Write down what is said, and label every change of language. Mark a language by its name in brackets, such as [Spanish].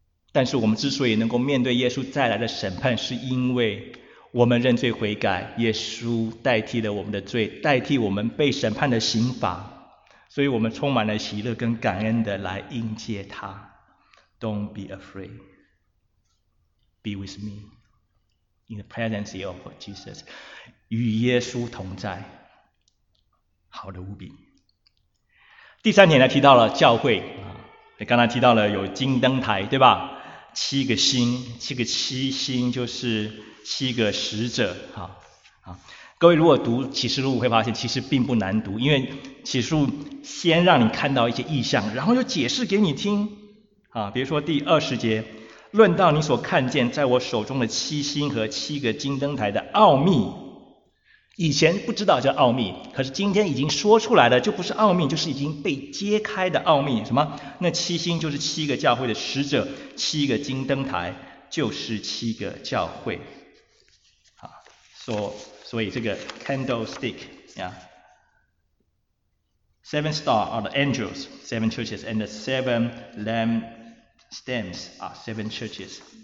[Chinese] 但是我们之所以能够面对耶稣再来的审判，是因为我们认罪悔改，耶稣代替了我们的罪，代替我们被审判的刑罚，所以我们充满了喜乐跟感恩的来迎接他。 [English] Don't be afraid. Be with me in the presence of Jesus. [Chinese] 与耶稣同在，好的无比。第三点呢，提到了教会啊，刚才提到了有金灯台，对吧？七个星，七个七星就是七个使者，好，各位如果读启示录会发现其实并不难读，因为启示录先让你看到一些意象，然后又解释给你听，比如说第二十节，论到你所看见在我手中的七星和七个金灯台的奥秘，以前不知道叫奥秘，可是今天已经说出来的就不是奥秘，就是已经被揭开的奥秘。什么？那七星就是七个教会的使者，七个金灯台就是七个教会。所以这个 [English] candlestick 呀、seven stars are the angels, seven churches, and the seven lampstands are seven churches.